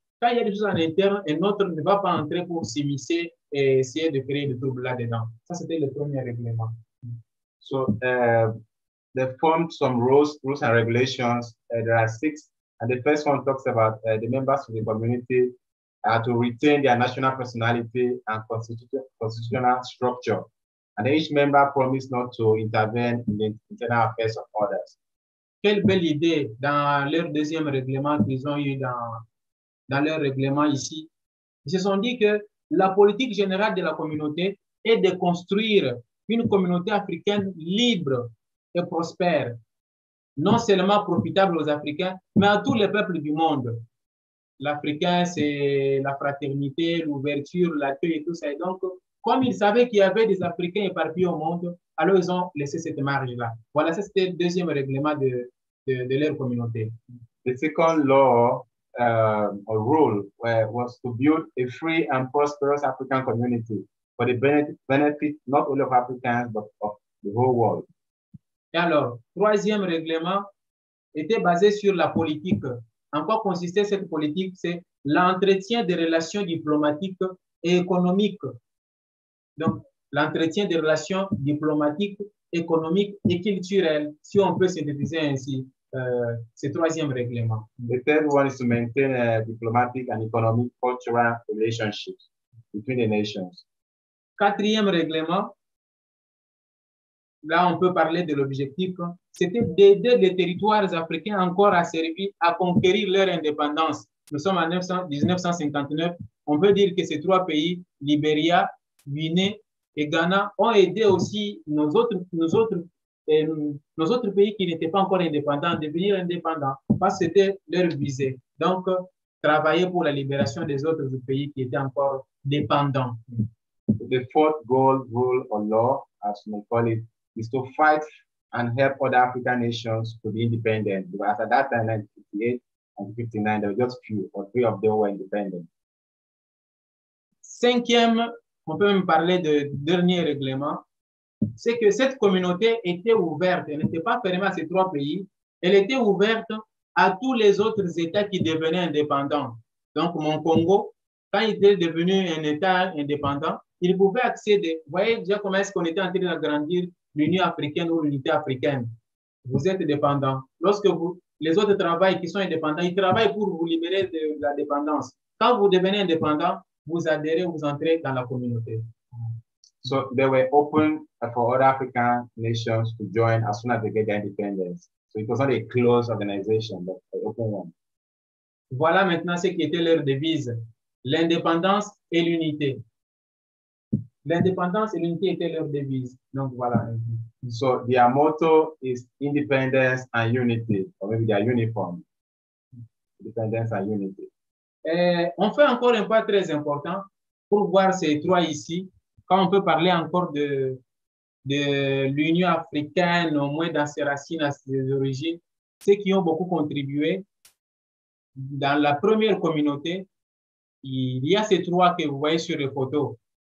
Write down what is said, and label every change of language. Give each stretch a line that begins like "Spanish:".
French: Quand il y a des choses en interne, un autre ne va pas entrer pour s'immiscer et essayer de créer des troubles là-dedans. Ça, c'était le premier règlement.
English: So, they formed some rules and regulations. There are six, and the first one talks about the members of the community to retain their national personality and constitutional structure. And each member promised not to intervene in the internal affairs of others.
French: Quelle belle idée dans leur deuxième règlement qu'ils ont eu dans leur règlement ici. Ils se sont dit que la politique générale de la communauté est de construire une communauté africaine libre et prospère, non seulement profitable aux Africains, mais à tous les peuples du monde. L'Africain, c'est la fraternité, l'ouverture, l'accueil et tout ça. Et donc, comme ils savaient qu'il y avait des Africains éparpillés au monde, alors ils ont laissé cette marge-là. Voilà, ça, c'était le deuxième règlement de leur communauté.
English: The second law, or rule, was to build a free and prosperous African community for the benefit not only of Africans, but of the whole world.
French: Et alors, troisième règlement était basé sur la politique. En quoi consistait cette politique? C'est l'entretien des relations diplomatiques et économiques. Donc, l'entretien des relations diplomatiques, économiques et culturelles, si on peut synthétiser ainsi ce troisième règlement.
English: The third one is to maintain a diplomatic and economic cultural relationships between the nations.
French: Quatrième règlement, là, on peut parler de l'objectif, c'était d'aider les territoires africains encore asservis à conquérir leur indépendance. Nous sommes en 1959. On peut dire que ces trois pays, Libéria, Guinée et Ghana, ont aidé aussi nos autres pays qui n'étaient pas encore indépendants, devenir indépendants, parce que c'était leur visée. Donc, travailler pour la libération des autres pays qui étaient encore dépendants.
English: The fourth goal, rule or law, as we call it, is to fight and help other African nations to be independent. But at that time, 1958 and 59, there were just few or three of them were independent.
French: Cinquième, on peut même parler de dernier règlement, c'est que cette communauté était ouverte, elle n'était pas fermée à ces trois pays, elle était ouverte à tous les autres États qui devenaient indépendants. Donc, mon Congo, quand il était devenu un État indépendant, il pouvait accéder. Vous voyez déjà comment est-ce qu'on était en train d'agrandir l'Union africaine ou l'unité africaine. Vous êtes dépendants. Lorsque vous, les autres travaillent, qui sont indépendants, ils travaillent pour vous libérer de la dépendance. Quand vous devenez indépendant, vous adhérez, vous entrez dans la communauté.
English: So they were open for other African nations to join as soon as they get their independence. So it was not a closed organization, but an open one.
French: Voilà maintenant ce qui était leur devise. L'indépendance et l'unité. L'indépendance et l'unité étaient leur devise. Donc voilà.
English: So their motto is independence and unity, or maybe their uniform. Independence and unity.
French: On fait encore un pas très important pour voir ces trois ici. Quand on peut parler encore de l'Union africaine, au moins dans ses racines, à ses origines, ceux qui ont beaucoup contribué dans la première communauté, il y a ces trois que vous voyez sur les photos.